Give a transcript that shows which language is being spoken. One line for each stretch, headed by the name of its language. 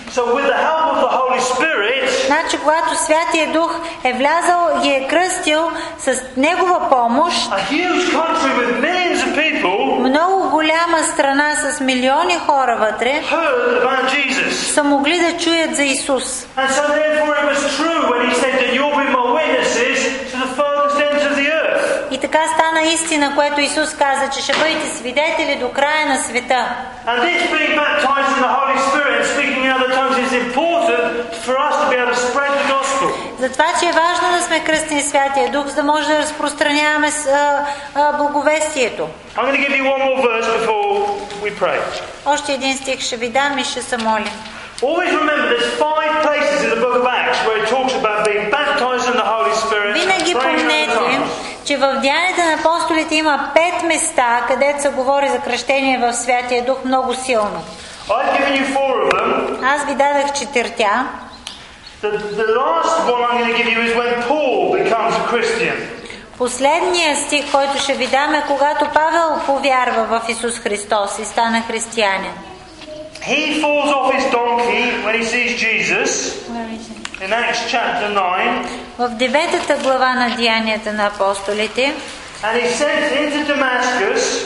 English: So with the help of the Holy Spirit,
Bulgarian: значи, когато Святия Дух е влязал и е кръстил с Негова помощ,
English: a huge country with millions of people,
Bulgarian: много голяма страна с милиони хора вътре,
English: heard about Jesus.
Bulgarian: Са могли да чуят за Исус.
English: And so therefore it was true when he said that you'll be my witnesses to the furthest ends of the earth.
Bulgarian: И така стана истина, което Исус каза, че ще бъдете свидетели до края на света.
English: And this being baptized in the Holy Spirit and speaking in other tongues is important for us to be able to spread the gospel.
Bulgarian: Затова, че е важно да сме кръстени Святия Дух, за да може да разпространяваме благовестието.
English: I'm going to give you one more verse before we pray.
Bulgarian: Още един стих ще ви дам и ще се молим.
English: Always remember there's 5 places in the book of Acts where it talks about being baptized in the Holy Spirit.
Bulgarian: Винаги помнете, че в Деянията на апостолите има 5 места, където се говори за кръщение в Святия Дух много силно.
English: I've given you 4 of them.
Bulgarian: Аз ви дадох 4-тя.
English: The last one I'm going to give you is when Paul becomes a Christian.
Bulgarian: Последният стих, който ще ви дам, е когато Павел повярва в Исус Христос и стана християнин.
English: He falls off his donkey when he sees Jesus. In Acts chapter 9.
Bulgarian: В 9-та глава на Деянията на апостолите.
English: And he sent into Damascus.